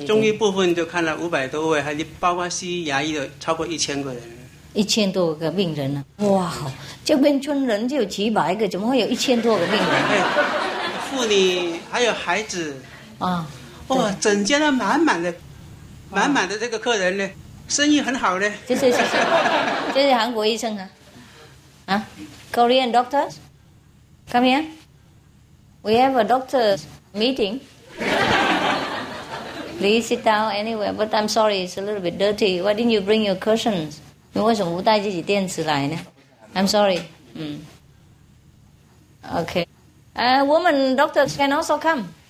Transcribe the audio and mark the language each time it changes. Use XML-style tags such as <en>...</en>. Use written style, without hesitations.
<zh>中医部分就看了500多位，还包括西医牙医的超过1000个人， 1000多个病人呢、哇，这边村人就有几百个，怎么会有1000多个病人？妇女还有孩子啊，哇、整间都满满的，满满的这个客人呢，生意很好呢。谢谢，这是韩国医生啊，</zh> <en>Korean doctors， come here， we have a doctor meeting。 Please sit down anywhere, but I'm sorry, it's a little bit dirty. Why didn't you bring your cushions?</en> <zh>你为什么不带自己垫子来呢？</zh> <en>I'm sorry. Okay. Woman doctors can also come.</en>